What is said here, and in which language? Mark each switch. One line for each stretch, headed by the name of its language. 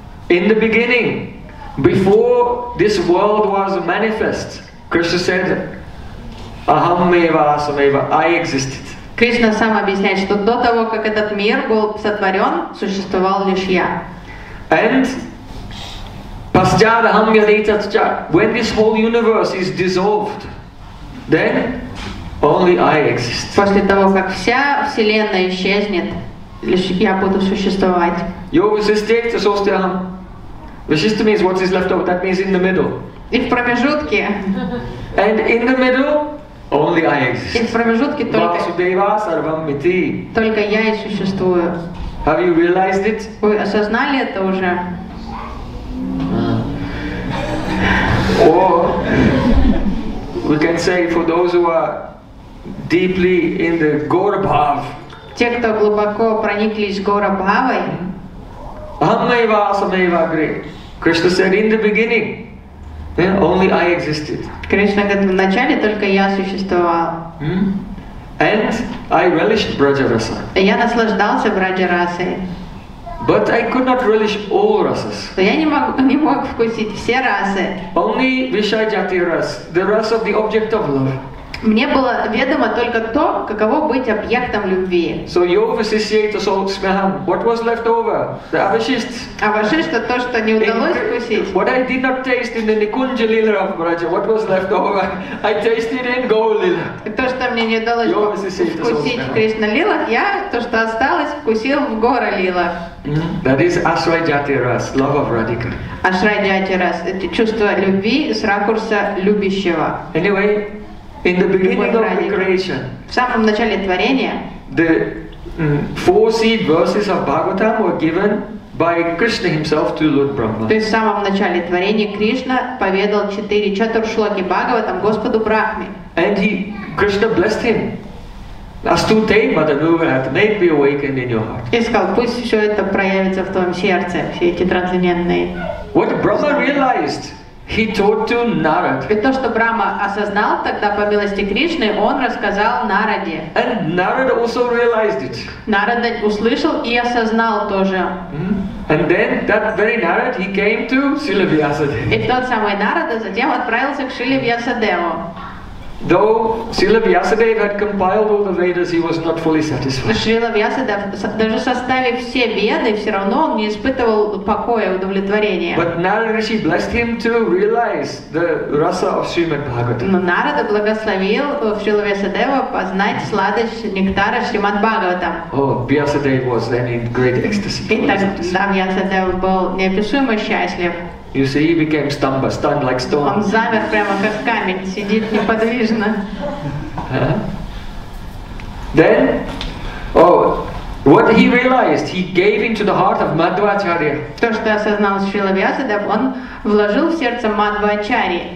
English: In the beginning, before this world was manifest, Krishna said,
Sanskrit: Aham eva sameva,
English: I existed.
Russian: Krishna сам объясняет, что до того, как этот мир был сотворен, существовал лишь я.
English: And
Sanskrit: Pascharaham yadetascha,
English: when this whole universe is dissolved, then only I exist.
Russian: После того, как вся вселенная исчезнет, лишь я буду существовать.
Sanskrit: Yo visishtita sosmaham.
English: Visishta means what is left over, that means in the middle.
Russian: И в промежутке.
English: And in the middle, only I exist.
Russian: И в промежутке только.
Sanskrit: Vasudeva sarvam iti.
Russian: Только я и существую.
English: Have you realized it?
Russian: Вы осознали это уже?
English: Or we can say for those who are deeply in the Gaura Bhav.
Russian: Те, кто глубоко прониклись Гаура Бхавой.
Sanskrit: Aham eva sameva agre.
English: Krishna said in the beginning, only I existed.
Russian: Кришна говорит, вначале только я существовал.
English: And I relished Braja Rasa.
Russian: Я наслаждался Браджа Расой.
English: But I could not relish all rasas.
Russian: Я не мог вкусить все расы.
English: Only vishajati ras, the ras of the object of love.
Russian: Мне было ведомо только то, каково быть объектом любви.
English: So your vishishyata smaham, what was left over? The avashist.
Russian: Авашишта то, что не удалось вкусить.
English: What I did not taste in the Nikunja lila of Braja, what was left over? I tasted in Gaur lila.
Russian: То, что мне не удалось вкусить в Кришна лилах, я то, что осталось, вкусил в Гора лилах.
English: That is Ashrayajati Ras, love of Radhika.
Russian: Ashrayajati Ras, это чувство любви с ракурса любящего.
English: Anyway, in the beginning of the creation,
Russian: в самом начале творения,
English: the four seed verses of Bhagavatam were given by Krishna himself to Lord Brahma.
Russian: То есть в самом начале творения Кришна поведал четыре чатуршлоки Бхагаватам Господу Брахме.
English: And he, Krishna blessed him.
Sanskrit: Astute madanugrahat,
English: may be awakened in your heart.
Russian: И сказал, пусть все это проявится в твоем сердце, все эти трансцендентные.
English: What Brahma realized, he taught to Narad.
Russian: И то, что Брама осознал тогда по милости Кришны, он рассказал Нараде.
English: And Narad also realized it.
Russian: Нарад услышал и осознал тоже.
English: And then that very Narad, he came to Srila Vyasadeva.
Russian: И тот самый Нарада затем отправился к Шриле Вьясадеву.
English: Though Srila Vyasadeva had compiled all the Vedas, he was not fully satisfied.
Russian: Srila Vyasadeva, даже составив все Веды, все равно он не испытывал покоя, удовлетворения.
English: But Narada Rishi blessed him to realize the rasa of Srimad Bhagavatam.
Russian: Но Нарада благословил Srila Vyasadeva познать сладость нектара Srimad Bhagavatam.
English: Oh, Vyasadeva was then in great ecstasy.
Russian: Да, Vyasadeva был неописуемо счастлив.
English: You see, he became stunned like stone.
Russian: Он замер прямо как камень, сидит неподвижно.
English: Then, what he realized, he gave into the heart of Madhvacharya.
Russian: То, что осознал Шрила Вьясадева, он вложил в сердце Мадхвачарьи.